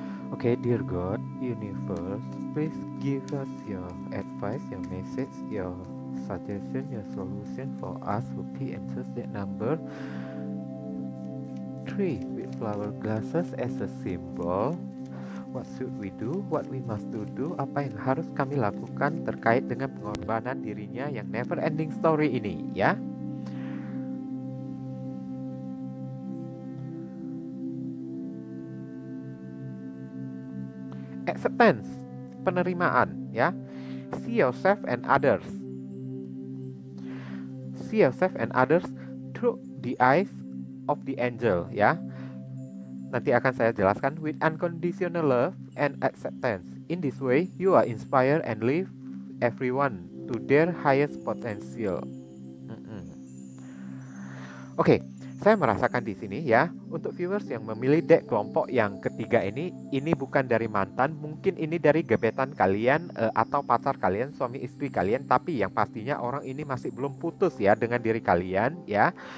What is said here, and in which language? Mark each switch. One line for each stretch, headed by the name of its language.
English: Oke, dear God, Universe, please give us your advice, your message, your suggestion, your solution for us who be enters that number 3 with flower glasses as a symbol. What should we do? What we must do?
Indonesian: Apa yang harus kami lakukan terkait dengan pengorbanan dirinya yang
English: never ending story
Indonesian: ini, ya?
English: Acceptance,
Indonesian: penerimaan, ya.
English: See yourself and others. See yourself and others through the eyes of the angel, ya.
Indonesian: Nanti akan saya jelaskan.
English: With unconditional love and acceptance, in this way you are inspired and lift everyone to their highest potential.
Indonesian: Oke, saya merasakan di sini, ya, untuk viewers yang memilih deck kelompok yang ketiga ini bukan dari mantan, mungkin ini dari gebetan kalian atau pacar kalian, suami istri kalian, tapi yang pastinya orang ini masih belum putus, ya, dengan diri kalian, ya.